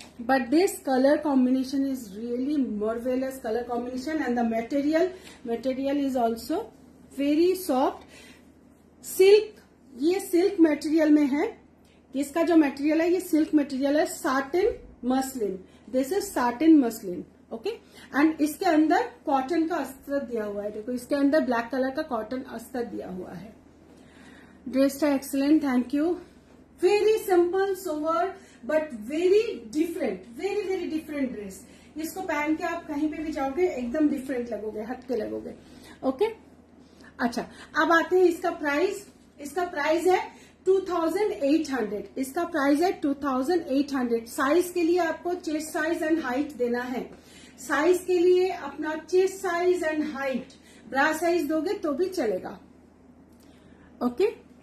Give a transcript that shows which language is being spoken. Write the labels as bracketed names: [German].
[English] But this color combination is really marvelous color combination, and the material is also very soft silk। [Hindi] ये silk material में है, इसका जो material है ये silk material है, satin muslin, [English] this is satin muslin, okay, [Hindi] and इसके अंदर cotton का अस्तर दिया हुआ है, देखो इसके अंदर black color का cotton अस्तर दिया हुआ है। [English] Dress है excellent, thank you, very simple sober but very different dress. [Hindi] इसको पहन के आप कहीं पे भी जाओगे एकदम डिफरेंट लगोगे, हटके लगोगे, ओके। अच्छा अब आते हैं इसका प्राइस, इसका प्राइस है 2800, इसका प्राइस है 2800। साइज के लिए आपको चेस्ट साइज एंड हाइट देना है, साइज के लिए अपना chest size and height, bra size दोगे तो भी चलेगा, ओके।